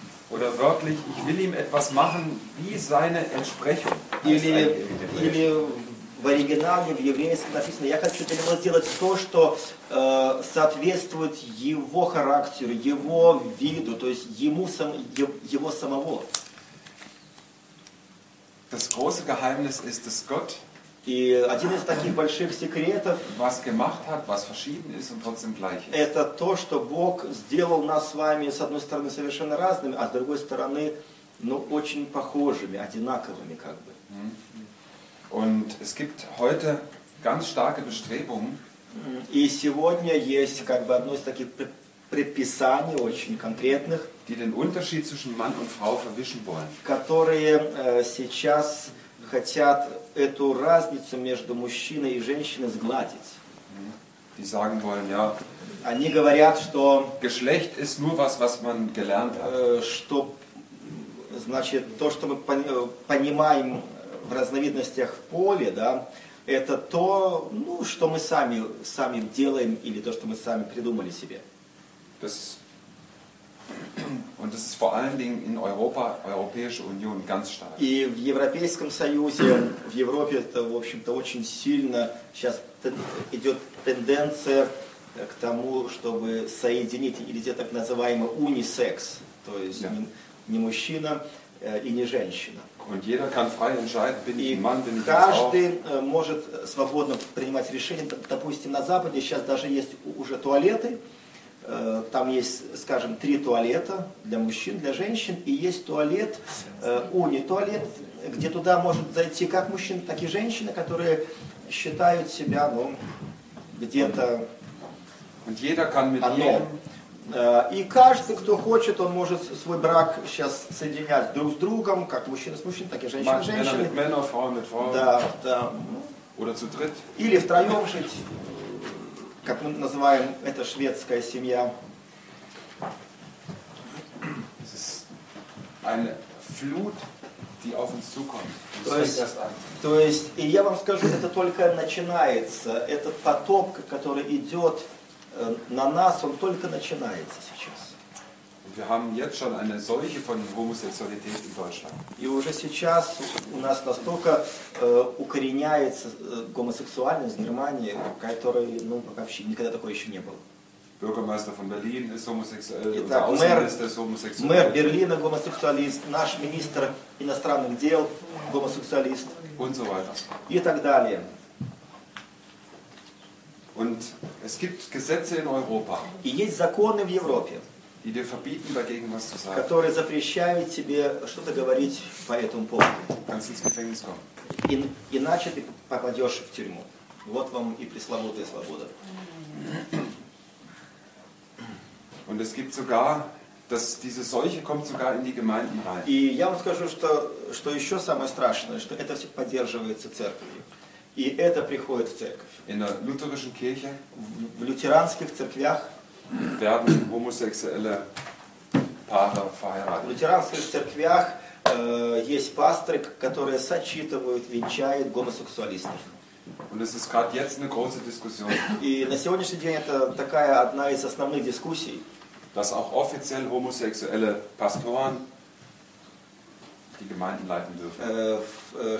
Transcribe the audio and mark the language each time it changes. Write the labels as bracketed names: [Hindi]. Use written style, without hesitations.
[German] Oder wörtlich, ich will ihm etwas machen, wie seine Entsprechung. [Russian] Или в оригинале, в еврейском написано, я хочу для него сделать то, что соответствует его характеру, его виду, то есть ему сам, его самого. [German] Das große Geheimnis ist, dass Gott [Russian] и один из таких больших секретов [German] was gemacht hat, was verschieden ist und trotzdem gleich ist. [Russian] Это то, что Бог сделал нас с вами, с одной стороны, совершенно разными, а с другой стороны, ну, очень похожими, одинаковыми, как бы. [German] Und es gibt heute ganz starke Bestrebungen. [Russian] И сегодня есть, как бы, одно из таких предписаний очень конкретных, [German] die den Unterschied zwischen Mann und Frau verwischen wollen. [Russian] Которые сейчас хотят эту разницу между мужчиной и женщиной сгладить. [German] Die sagen wollen, ja, [Russian] они говорят, что [German] Geschlecht ist nur was, was man gelernt hat. [Russian] Что, значит, то, что мы понимаем в разновидностях в поле, да, это то, ну, что мы сами делаем или то, что мы сами придумали себе. [German] Und das ist vor allen Dingen in Europa, Europäische Union, ganz stark. [Russian] И в Европейском Союзе, в Европе это, в общем-то, очень сильно сейчас идет тенденция к тому, чтобы соединить или где так называемый унисекс, то есть yeah. не мужчина и не женщина. [German] Und jeder kann frei entscheiden, bin ich Mann, bin ich Frau. [Russian] Каждый может свободно принимать решение. Допустим, на Западе сейчас даже есть уже туалеты. Там есть, скажем, три туалета для мужчин, для женщин, и есть туалет, уни-туалет, где туда может зайти как мужчина, так и женщина, которые считают себя, ну, где-то одно. И каждый, кто хочет, он может свой брак сейчас соединять друг с другом, как мужчина с мужчиной, так и женщина с женщиной. [German] Männer, Frau mit Frau. [Russian] Да, да. [German] Oder zu dritt. [Russian] Или втроем жить. Как мы называем, это шведская семья. [German] Es ist eine Flut, die auf uns zukommt. [Russian] То есть, и я вам скажу, это только начинается. Этот поток, который идет на нас, он только начинается сейчас. [German] Und wir haben jetzt schon eine Seuche von Homosexualität in Deutschland. [Russian] И уже сейчас у нас настолько укореняется гомосексуальность в Германии, которой, ну, вообще никогда такое еще не было. [German] Bürgermeister von Berlin ist homosexuell. [Russian] Итак, мэр Берлина гомосексуалист, наш министр иностранных дел гомосексуалист. [German] Und so weiter. [Russian] И так далее. [German] Und es gibt Gesetze in Europa. [Russian] И есть законы в Европе. [German] Die dir verbieten, dagegen was zu sagen. [Russian] Которые запрещают тебе что-то говорить по этому поводу. [German] Kannst ins Gefängnis kommen. [Russian] Иначе ты попадешь в тюрьму. Вот вам и пресловутая свобода. [German] Und es gibt sogar, dass diese Seuche kommt sogar in die Gemeinden rein. [Russian] И я вам скажу, что еще самое страшное, что это все поддерживается церковью. И это приходит в церковь. [German] In der lutherischen Kirche. [Russian] В лютеранских церквях. [German] Werden homosexuelle Paare verheiratet. [Russian] В лютеранских церквях есть пасторы, которые сочитывают, венчают гомосексуалистов. [German] Und es ist gerade jetzt eine große Diskussion. [Russian] И на сегодняшний день это такая одна из основных дискуссий. [German] Dass auch offiziell homosexuelle Pastoren die Gemeinden leiten dürfen.